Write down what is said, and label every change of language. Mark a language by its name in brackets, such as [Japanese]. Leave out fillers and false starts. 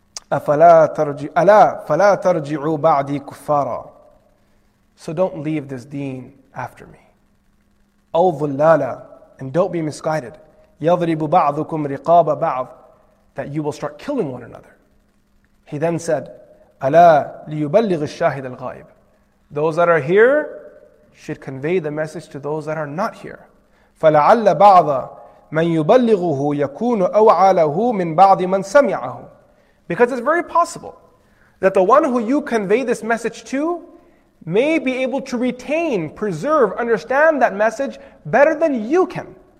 [Arabic] أَلَا فَلَا تَرْجِعُوا بَعْدِي كُفَّارًا. [English] So don't leave this deen after me. [Arabic] أَوْ ظُلَّالًا. [English] And don't be misguided. [Arabic] يَضْرِبُ بَعْضُكُمْ رِقَابَ بَعْضٍ. [English] That you will start killing one another. He then said, [Arabic] أَلَا لِيُبَلِّغِ الشَّاهِدَ الْغَائِبِ. [English] Those that are here should convey the message to those that are not here. [Arabic] فَلَعَلَّ بَعْضَ مَنْ يُبَلِّغُهُ يَكُونُ أَوْعَى لَهُ مِنْ بَعْضِ مَنْ سَمِعَهُ. [English] Because it's very possible that the one who you convey this message to may be able to retain, preserve, understand that message better than you can.